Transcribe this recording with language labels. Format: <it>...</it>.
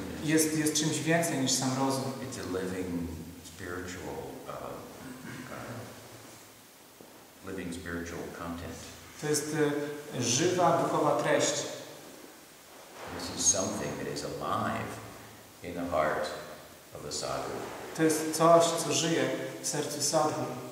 <pl>jest czymś więcej niż sam rozum.</pl> <en>It's a living spiritual living spiritual content.</en> <pl>To jest żywa duchowa treść.</pl> <en>This is something that is alive in the heart of the sadhu.</en> <pl>To jest coś, co żyje w sercu sadhu.</pl>